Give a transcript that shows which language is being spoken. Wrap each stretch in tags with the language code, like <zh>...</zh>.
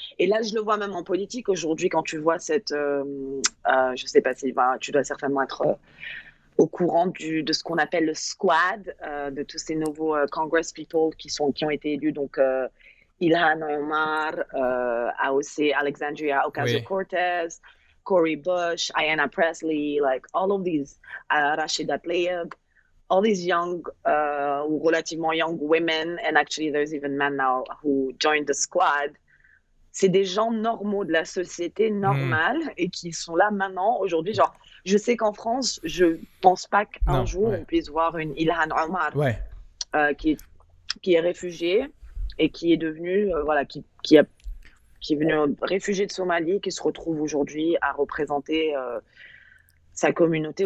<fr>Et là, je le vois même en politique aujourd'hui, quand tu vois cette. Je ne sais pas si ben, tu dois certainement être au courant de ce qu'on appelle le squad, de tous ces nouveaux</fr> <en>Congress people</en> <fr>qui ont été élus, donc Ilhan Omar, AOC, Alexandria ouais.</fr> <en>Ocasio-Cortez, Cory Bush, Ayanna Pressley, like all of these, Rashida Tlaib, all these young,</en> <fr>ou relativement</fr> <en>young women, and actually there's even men now who joined the squad.</en> <fr>C'est des gens normaux de la société normale et qui sont là maintenant, aujourd'hui. Genre, je sais qu'en France, je ne pense pas qu'un Non, jour on puisse voir une Ilhan Omar ouais. qui est réfugiée et qui est devenue, voilà, qui est venue réfugiée de Somalie, qui se retrouve aujourd'hui à représenter sa communauté</fr>